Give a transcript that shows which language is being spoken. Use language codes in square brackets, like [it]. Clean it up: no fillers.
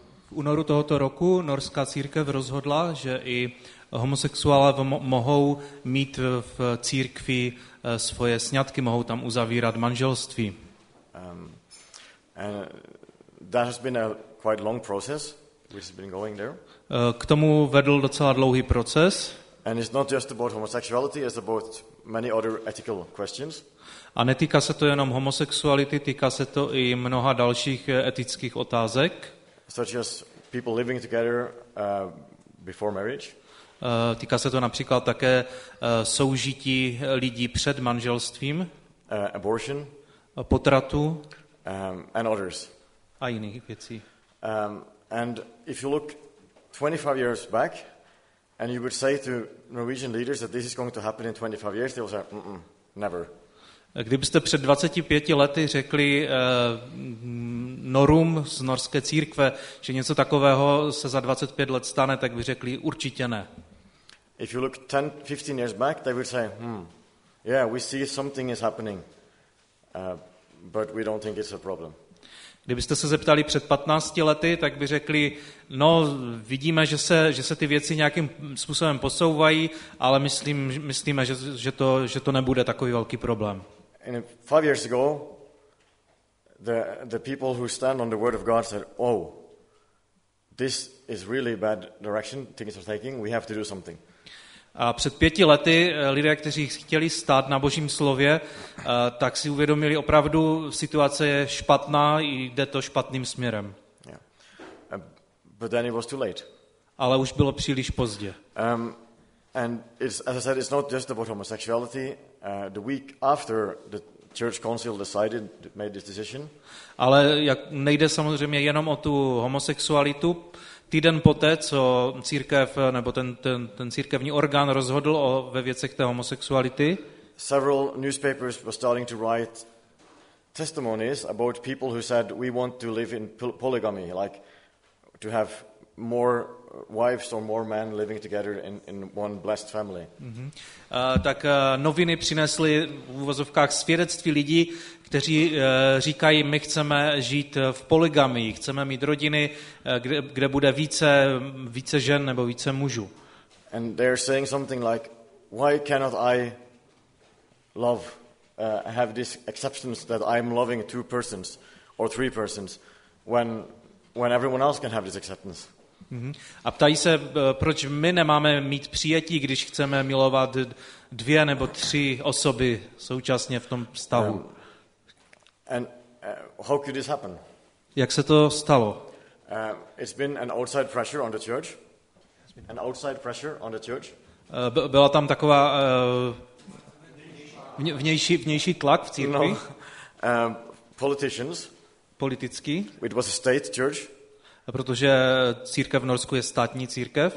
[cs] V únoru tohoto roku norská církev rozhodla, že i homosexuálové mohou mít v církvi svoje sňatky, mohou tam uzavírat manželství. [en] And that has been a quite long process which has been going there. [cs] K tomu vedl docela dlouhý proces. [en] And it's not just about homosexuality, it's about many other ethical questions. [cs] A netýká se to jenom homosexuality, týká se to i mnoha dalších etických otázek. [en] Such as people living together before marriage. [cs] Týká se to například také soužití lidí před manželstvím. [en] Abortion. [cs] Potratu. [en] And others. [cs] A jiných věcí. [en] And if you look 25 years back, and you would say to Norwegian leaders that this is going to happen in 25 years, they would say, never. [cs] Kdybyste před 25 lety řekli Norům z norské církve, že něco takového se za 25 let stane, tak by řekli určitě ne. [en] If you look 10, 15 years back, they would say, yeah, we see something is happening, but we don't think it's a problem. [cs] Kdybyste se zeptali před 15 lety, tak by řekli, no, vidíme, že se ty věci nějakým způsobem posouvají, ale myslíme, že to nebude takový velký problém. [en] And 5 years ago, the people who stand on the word of God said, oh, this is really bad direction things are taking, we have to do something. [cs] A před 5 lety lidé, kteří chtěli stát na Božím slově, tak si uvědomili opravdu, situace je špatná, jde to špatným směrem. [en] But then it was too late. [cs] Ale už bylo příliš pozdě. [en] And it's, as I said, it's not just about homosexuality. The week after the church council decided, made this decision. [cs] Ale jak nejde samozřejmě jenom o tu homosexualitu. Týden poté, co církev nebo ten církevní orgán rozhodl o ve věcech té homosexuality. [en] Several newspapers were starting to write testimonies about people who said we want to live in polygamy, like to have more wives or more men living together in one blessed family. Mm-hmm. [cs] Tak noviny přinesly v uvozovkách svědectví lidí, kteří říkají, my chceme žít v polygamii, chceme mít rodiny, kde bude více žen nebo více mužů. [en] And they're saying something like, why cannot I love, have this acceptance that I'm loving two persons or three persons when everyone else can have this acceptance? [cs] A ptají se, proč my nemáme mít přijetí, když chceme milovat dvě nebo tři osoby současně v tom stavu. [en] How could this happen? [cs] Jak se to stalo? [en] It's been an outside pressure on the church. An outside pressure on the church. [cs] Byla tam taková vnější tlak v církvi. [en] No. Politicians. [cs] Politický. [en] It was a state church. [cs] Protože církev v Norsku je státní církev.